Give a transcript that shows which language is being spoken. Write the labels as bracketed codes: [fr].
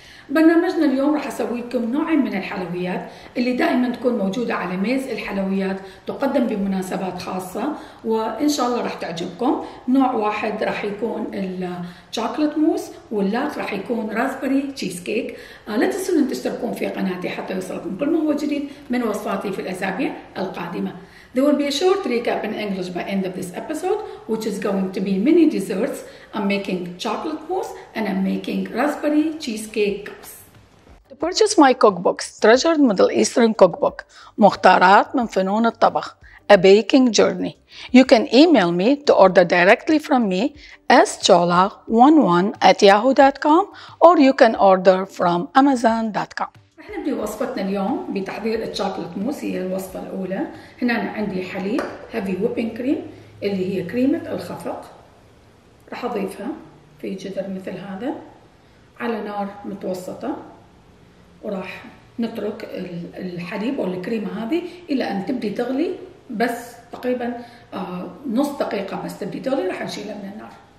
[ar] برنامجنا اليوم راح أسوي لكم نوعين من الحلويات اللي دائما تكون موجودة على ميز الحلويات، تقدم بمناسبات خاصة وإن شاء الله راح تعجبكم. نوع واحد راح يكون الشوكولات موس، واللاخ راح يكون رازبري تشيز كيك. لا تنسون أن تشتركون في قناتي حتى يوصلكم كل ما هو جديد من وصفاتي في الأسابيع القادمة. [en] There will be a short recap in English by end of this episode, which is going to be mini desserts. I'm making chocolate mousse and I'm making raspberry cheesecake cups. To purchase my cookbooks, Treasured Middle Eastern Cookbook, مختارات من فنون الطبخ, A Baking Journey, you can email me to order directly from me, schola11@yahoo.com, or you can order from amazon.com. [ar] نبدأ وصفتنا اليوم بتحضير الشوكولات موس. هي الوصفة الأولى. هنا أنا عندي حليب هيفي ويبينج كريم اللي هي كريمة الخفق، راح أضيفها في جدر مثل هذا على نار متوسطة، وراح نترك الحليب والكريمة هذه إلى أن تبدي تغلي، بس تقريبا نص دقيقة بس تبدي تغلي راح نشيلها من النار.